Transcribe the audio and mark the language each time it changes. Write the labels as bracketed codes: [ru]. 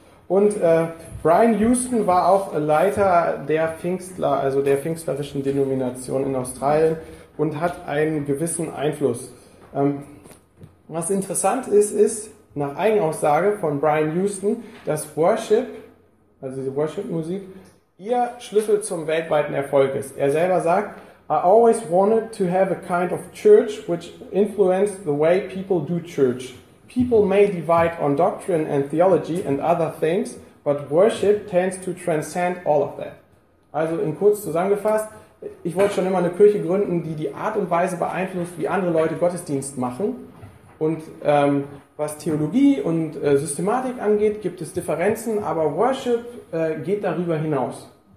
[de] Und Brian Houston war auch Leiter der Pfingstler, also der pfingstlerischen Denomination in Australien und hat einen gewissen Einfluss. Was interessant ist, ist nach Eigenaussage von Brian Houston, dass Worship, also diese Worship-Musik, ihr Schlüssel zum weltweiten Erfolg ist. Er selber sagt, [en] I always wanted to have a kind of church which influenced the way people do church. People may divide on doctrine and theology and other things, but worship tends to transcend all of that. [de] Also in kurz zusammengefasst, ich wollte schon immer eine Kirche gründen, die die Art und Weise beeinflusst, wie andere Leute Gottesdienst machen. Und was Theologie und Systematik angeht, gibt es Differenzen, aber Worship geht darüber hinaus.